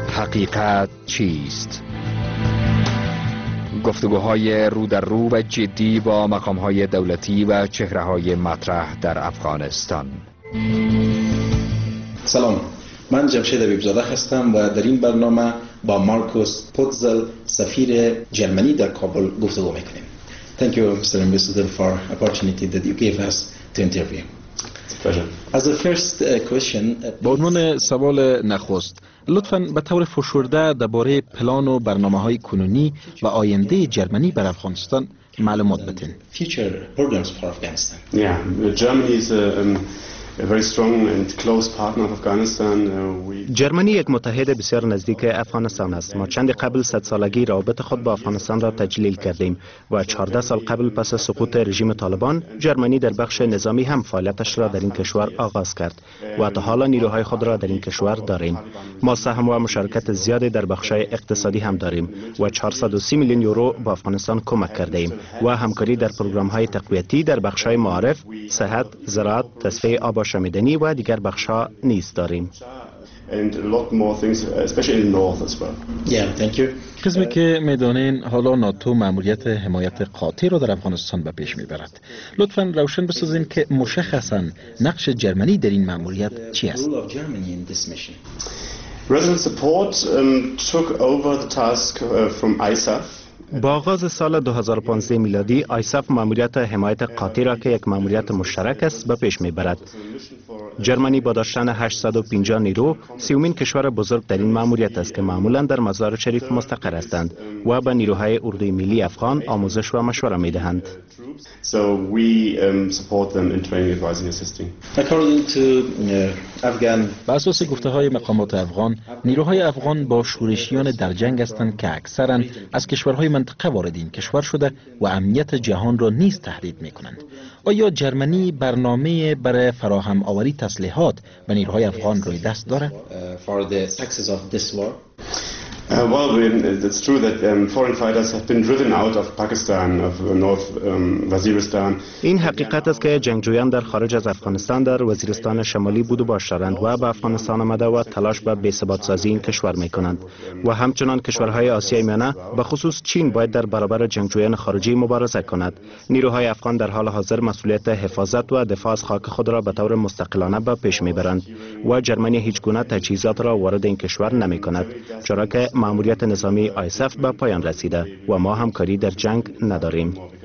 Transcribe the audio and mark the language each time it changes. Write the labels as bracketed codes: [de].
[fa] حقیقت چیست؟ گفتگوهای رو در رو و جدی با مقامهای دولتی و چهرههای مطرح در افغانستان. سلام، من جمشید عبیب‌زاده هستم و در این برنامه با مارکوس پوتزل سفیر جرمنی در کابل گفتگو میکنیم. [en] Thank you, Mr. Ambassador, for the opportunity that you gave us to interview. As the first question, [fa] به عنوان سوال نخست، لطفاً به طور فشرده درباره پلان و برنامه‌های کنونی و آینده جرمنی بر افغانستان معلومات بدین. [en] Future programs for Afghanistan. Yeah, Germany is a very strong and close partner of Afghanistan. [fa] جرمنی یک متحد بسیار نزدیک افغانستان است. ما چند قبل 100 سالگی رابطه خود با افغانستان را تجلیل کردیم و 14 سال قبل پس از سقوط رژیم طالبان جرمنی در بخش نظامی هم فعالیتش را در این کشور آغاز کرد و تا حالا نیروهای خود را در این کشور داریم. ما سهم و مشارکت زیادی در بخش‌های اقتصادی هم داریم و 430 میلیون یورو با افغانستان کمک کردیم و همکاری در پروگرام‌های تقویتی در بخش‌های معارف، صحت، زراعت، تصفیه آب و شمیدنی و دیگر بخش‌ها نیز داریم. [en] And a lot more things, especially in the north as well. Yeah, thank you. [fa] قسمی که میدانین حالا ناتو ماموریت حمایت قاطع را در افغانستان به پیش میبرد. لطفاً روشن بسازین که مشخصاً نقش جرمنی در این ماموریت چی است؟ [en] Resident Support took over the task from ISAF. [fa] با آغاز سال 2015 میلادی ISAF ماموریت حمایت قاطی را که یک ماموریت مشترک است به پیش میبرد. جرمنی با داشتن 850 نیرو سیومین کشور بزرگ در این ماموریت است که معمولا در مزار شریف مستقر هستند و به نیروهای اردوی ملی افغان آموزش و مشوره میدهند. [en] So we support them in training, advising, assisting. According to Afghan, [fa] به اساس گفته‌های مقامات افغان، نیروهای افغان با شورشیان در جنگ هستند که اکثرا از کشورهای منطقه وارد این کشور شده و امنیت جهان را نیز تهدید می‌کنند. آیا جرمنی برنامه برای فراهم آوری تسلیحات به نیروهای افغان روی دست دارد؟ [en] For the success of this war. It's true that foreign fighters have been driven out of Pakistan, of North Waziristan. [fa] این حقیقت است که جنگجویان در خارج از افغانستان در وزیرستان شمالی بود و باشند و به افغانستان آمده و تلاش به بی‌ثبات سازی این کشور می‌کنند و همچنان کشورهای آسیای میانه به خصوص چین باید در برابر جنگجویان خارجی مبارزه کند. نیروهای افغان در حال حاضر مسئولیت حفاظت و دفاع از خاک خود را به طور مستقلانه به پیش می‌برند و جرمنی هیچ گونه تجهیزات را وارد این کشور نمی‌کند، چرا که ماموریت نظامی ISAF به پایان رسیده و ما همکاری در جنگ نداریم.